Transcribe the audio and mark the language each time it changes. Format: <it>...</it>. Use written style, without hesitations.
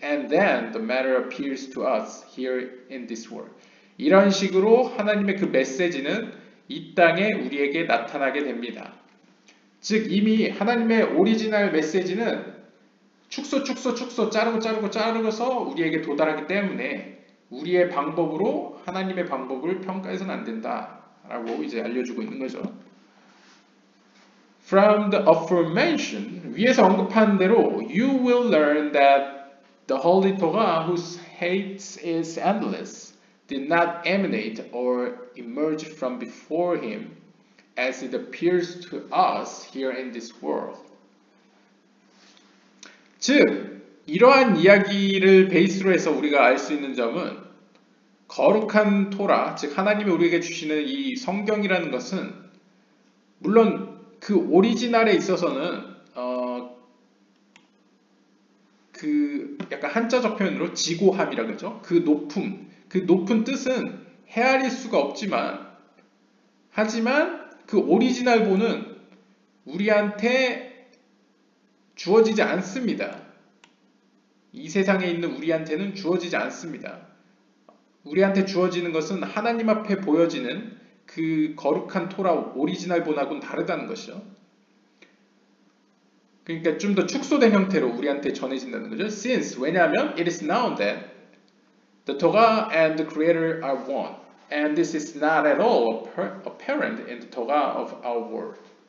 <en>And then the matter appears to us here in this world.</en> <ko>이런 식으로 하나님의 그 메시지는 이 땅에 우리에게 나타나게 됩니다. 즉 이미 하나님의 오리지널 메시지는 축소 축소 축소 자르고 자르고 자르고서 우리에게 도달하기 때문에 우리의 방법으로 하나님의 방법을 평가해서는 안 된다 라고 이제 알려주고 있는 거죠.</ko> <en>From the aforementioned,</en> <ko>위에서 언급한 대로</ko> <en>you will learn that the holy Torah whose hate is endless did not emanate or emerge from before him as it appears to us here in this world.</en> <ko>즉, 이러한 이야기를 베이스로 해서 우리가 알 수 있는 점은 거룩한 토라, 즉 하나님이 우리에게 주시는 이 성경이라는 것은 물론 그 오리지널에 있어서는 그 약간 한자적 표현으로 지고함이라 그러죠. 그 높은 뜻은 헤아릴 수가 없지만, 하지만 그 오리지널 본은 우리한테 주어지지 않습니다. 이 세상에 있는 우리한테는 주어지지 않습니다. 우리한테 주어지는 것은 하나님 앞에 보여지는 그 거룩한 토라 오리지널 본하고는 다르다는 것이죠. 그러니까 좀 더 축소된 형태로 우리한테 전해진다는 거죠.</ko> <en>Since,</en> <ko>왜냐하면</ko> <en>it is known that the Torah and the Creator are one and this is not at all apparent in the Torah of our world.</en>